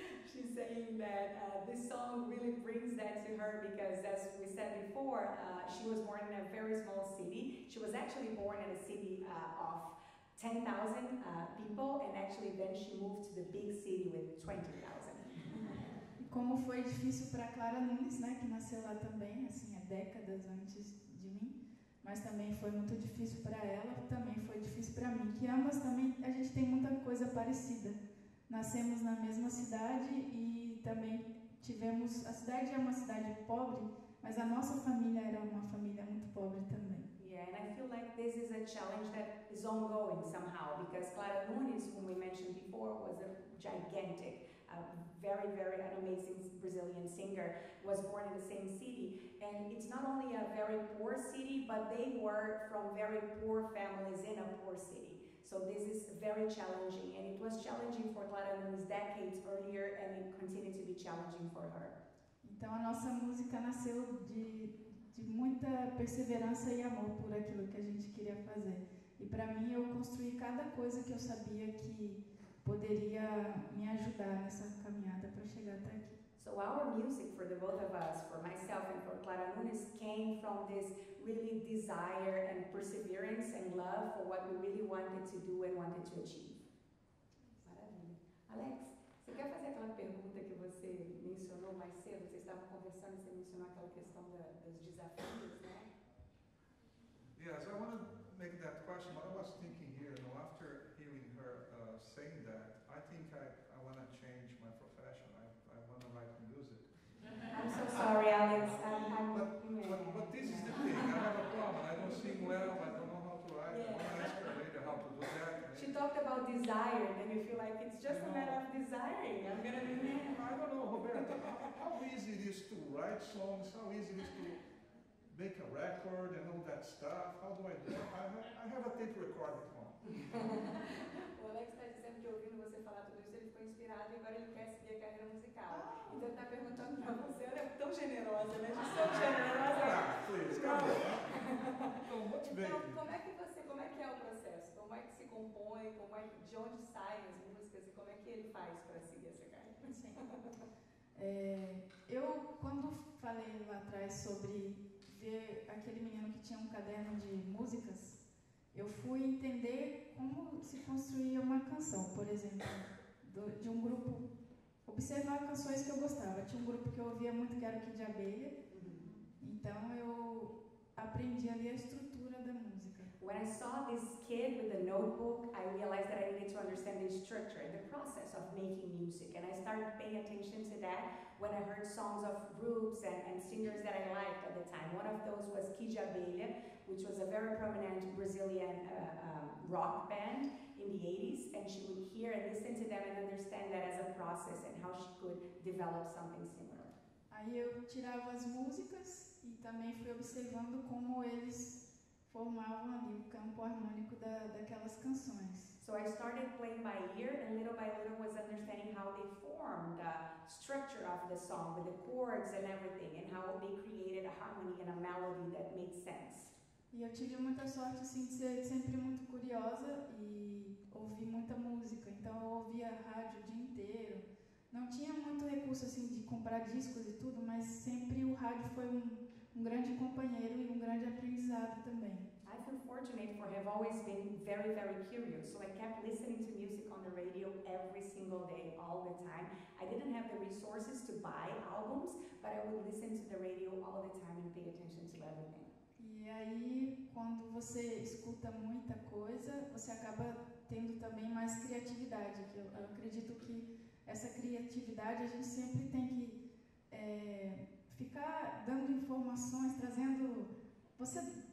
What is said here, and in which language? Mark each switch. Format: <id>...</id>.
<en>She's saying that this song really brings that to her because, as we said before, she was born in a very small city. She was actually born in a city of 10,000 people, and actually then she moved to the big city with 20,000.</en> <pt>Como foi difícil para Clara Nunes, né, que nasceu lá também, assim, há décadas antes de mim, mas também foi muito difícil para ela, também foi difícil para mim, que ambas também, a gente tem muita coisa parecida. Nascemos na mesma cidade e também tivemos... A cidade é uma cidade pobre, mas a nossa família era uma família muito pobre também.</pt> <en>Yeah, and I feel like this is a challenge that is ongoing somehow, because Clara Nunes, whom we mentioned before, was a gigantic, a very, very amazing Brazilian singer, was born in the same city. And it's not only a very poor city, but they were from very poor families in a poor city. So this is very challenging, and it was challenging for Clara Nunes decades earlier, and it continued to be challenging for her.</en> <pt>Então a nossa música nasceu de muita perseverança e amor por aquilo que a gente queria fazer. E para mim, eu construí cada coisa que eu sabia que poderia me ajudar nessa caminhada para chegar até aqui.</pt> <en>So our music, for the both of us, for myself and for Clara Nunes, came from this really desire and perseverance and love for what we really wanted to do and wanted to achieve.</en> <pt>Maravilha. Alex, você quer fazer aquela pergunta que você mencionou mais cedo? Você estava conversando e você mencionou aquela questão dos desafios, né?</pt> <en>Yes, I want to make that question, but I was thinking here, you know, after hearing her saying that, I think I want to change my profession. I want to write music. I'm so sorry, Alex. But this is the thing. I have a problem. I don't sing well. I don't know how to write. Yeah. I want to ask her later how to do that. She talked about desire, and you feel like it's just a matter of desiring. I'm going to be me. I don't know, Roberta. How easy it is to write songs? How easy it is to make a record and all that stuff? How do I do it? I have a tape recorder at home.</en> <pt>O Alex está dizendo que, ouvindo você falar tudo isso, ele ficou inspirado e agora ele quer seguir a carreira musical. Ah. Então ele está perguntando para você, ela é tão generosa, né? Você é tão generosa. Como é que é o processo? Como é que se compõe? De onde saem as músicas? E como é que ele faz para seguir essa carreira? Eu, quando falei lá atrás sobre ver aquele menino que tinha um caderno de músicas, eu fui entender como se construía uma canção, por exemplo, de um grupo, observar canções que eu gostava. Tinha um grupo que eu ouvia muito, que era o Kid Abelha, então eu aprendi ali a estrutura da música.</pt> <en>When I saw this kid with a notebook, I realized that I needed to understand the structure and the process of making music, and I started paying attention to that when I heard songs of groups and singers that I liked at the time. One of those was Kid Abelha, which was a very prominent Brazilian rock band in the 80s, and she would hear and listen to them and understand that as a process and how she could develop something similar.</en> <pt>Aí eu tirava as músicas e também fui observando como eles formavam ali o campo harmônico daquelas canções.</pt> <en>So I started playing by ear, and little by little was understanding how they formed the structure of the song with the chords and everything, and how they created a harmony and a melody that made sense.</en> <pt>E eu tive muita sorte, assim, de ser sempre muito curiosa e ouvir muita música. Então eu ouvia rádio o dia inteiro. Não tinha muito recurso, assim, de comprar discos e tudo, mas sempre o rádio foi um grande companheiro e um grande aprendizado também.</pt> <en>I've been fortunate for have always been very, very curious. So I kept listening to music on the radio every single day, all the time. I didn't have the resources to buy albums, but I would listen to the radio all the time and pay attention to everything.</en> <pt>E aí, quando você escuta muita coisa, você acaba tendo também mais criatividade. Que eu acredito que essa criatividade a gente sempre tem que ficar dando informações, trazendo... Você</pt>